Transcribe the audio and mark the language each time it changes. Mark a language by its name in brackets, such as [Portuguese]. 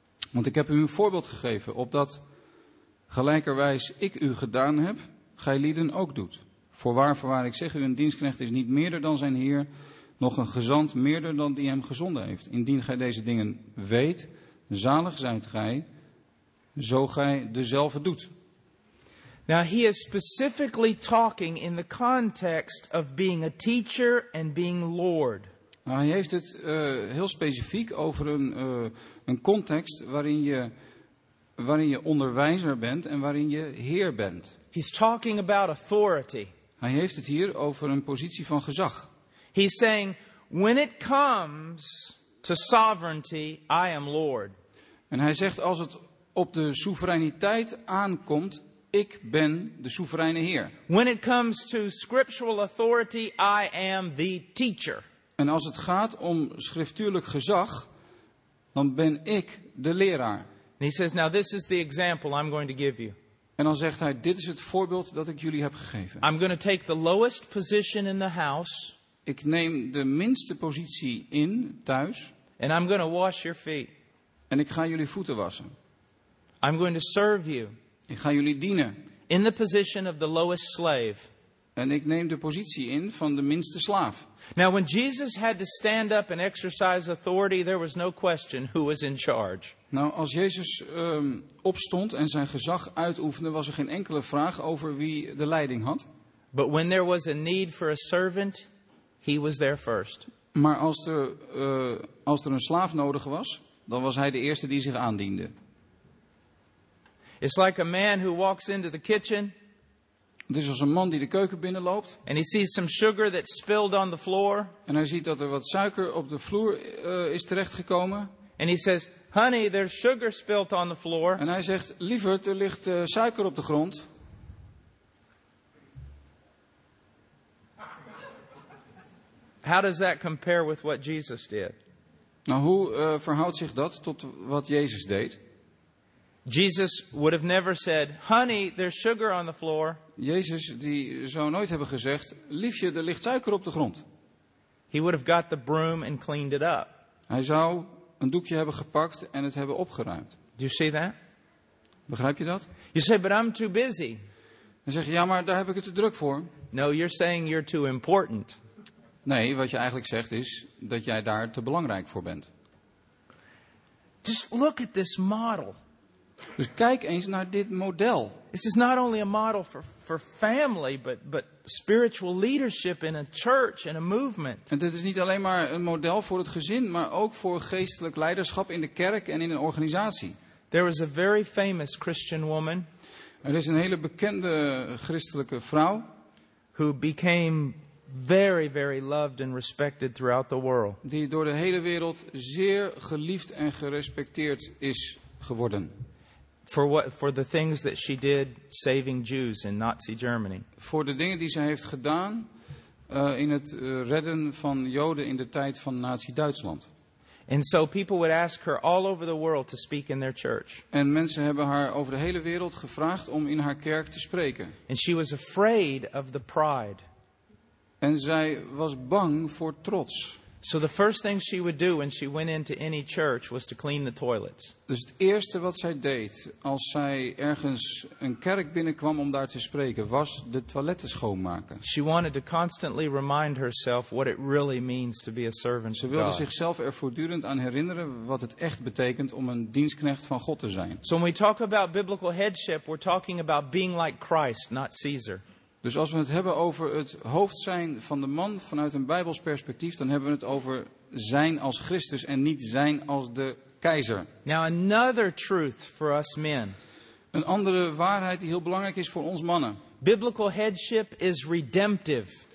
[Dutch] Want ik heb u een voorbeeld gegeven, opdat gelijkerwijs ik u gedaan heb, gij lieden ook doet. Voorwaar, ik zeg u, een dienstknecht is niet meerder dan zijn heer, nog een gezant meerder dan die hem gezonden heeft. Indien gij deze dingen weet, zalig zijt gij, zo gij dezelfde doet. [English] Now he is specifically talking in the context of being a teacher and being Lord. [Dutch] Nou, hij heeft het heel specifiek over een context waarin je onderwijzer bent en waarin je heer bent. [English] He's talking about authority. [Dutch] Hij heeft het hier over een positie van gezag. [English] He's saying, when it comes to sovereignty, I am Lord. [Dutch] En hij zegt, als het op de soevereiniteit aankomt, ik ben de soevereine Heer. [English] When it comes to scriptural authority, I am the teacher. [Dutch] En als het gaat om schriftuurlijk gezag, dan ben ik de leraar. [English] And he says, now this is the example I'm going to give you. [Dutch] En dan zegt hij, dit is het voorbeeld dat ik jullie heb gegeven. [English] I'm going to take the lowest position in the house. [Dutch] Ik neem de minste positie in thuis. [English] And I'm going to wash your feet. [Dutch] En ik ga jullie voeten wassen. [English] I'm going to serve you. [Dutch] Ik ga jullie dienen. [English] In the position of the lowest slave. [Dutch] En ik neem de positie in van de minste slaaf. [English] Now when Jesus had to stand up and exercise authority, there was no question who was in charge. [Dutch] Nou, als Jezus opstond en zijn gezag uitoefende, was er geen enkele vraag over wie de leiding had. [English] But when there was a need for a servant, he was there first. [Dutch] Maar als er een slaaf nodig was, dan was hij de eerste die zich aandiende. [English] It's like a man who walks into the kitchen. [Dutch] Het is als een man die de keuken binnenloopt. [English] And he sees some sugar that spilled on the floor. [Dutch] En hij ziet dat er wat suiker op de vloer is terechtgekomen. [English] And he says, "Honey, there's sugar spilled on the floor." [Dutch] En hij zegt, lieverd, er ligt suiker op de grond. [English] How does that compare with what Jesus did? [Dutch] Nou, hoe verhoudt zich dat tot wat Jezus deed? [English] Jesus would have never said, "Honey, there's sugar on the floor." [Dutch] Jezus die zou nooit hebben gezegd, liefje, er ligt suiker op de grond. [English] He would have got the broom and cleaned it up. [Dutch] Hij zou een doekje hebben gepakt en het hebben opgeruimd. [English] Do you see that? [Dutch] Begrijp je dat? [English] You say, "But I'm too busy." [Dutch] Dan zeg je, ja, maar daar heb ik het te druk voor. [English] No, you're saying you're too important. [Dutch] Nee, wat je eigenlijk zegt is dat jij daar te belangrijk voor bent. [English] Just look at this model. [Dutch] Dus kijk eens naar dit model. [English] This is not only a model for family, but spiritual leadership in a church and a movement. [Dutch] En dit is niet alleen maar een model voor het gezin, maar ook voor geestelijk leiderschap in de kerk en in een organisatie. [English] There was a very famous Christian woman. [Dutch] Er is een hele bekende christelijke vrouw. [English] Who became very, very loved and respected throughout the world. [Dutch] Die door de hele wereld zeer geliefd en gerespecteerd is geworden. [English] For the things that she did saving Jews in Nazi Germany. [Dutch] Voor de dingen die zij heeft gedaan in het redden van Joden in de tijd van Nazi Duitsland. [English] And so people would ask her all over the world to speak in their church. [Dutch] En mensen hebben haar over de hele wereld gevraagd om in haar kerk te spreken. [English] And she was afraid of the pride. [Dutch] En zij was bang voor trots. [English] So the first thing she would do when she went into any church was to clean the toilets. [Dutch] Dus het eerste wat zij deed als zij ergens een kerk binnenkwam om daar te spreken, was de toiletten schoonmaken. [English] She wanted to constantly remind herself what it really means to be a servant of God. [Dutch] Ze wilde zichzelf er voortdurend aan herinneren wat het echt betekent om een dienstknecht van God te zijn. [English] So when we talk about biblical headship, we're talking about being like Christ, not Caesar. [Dutch] Dus als we het hebben over het hoofd zijn van de man vanuit een Bijbels perspectief, dan hebben we het over zijn als Christus en niet zijn als de keizer. [English] Now another truth for us men. [Dutch] Een andere waarheid die heel belangrijk is voor ons mannen. [English] Biblical headship is redemptive.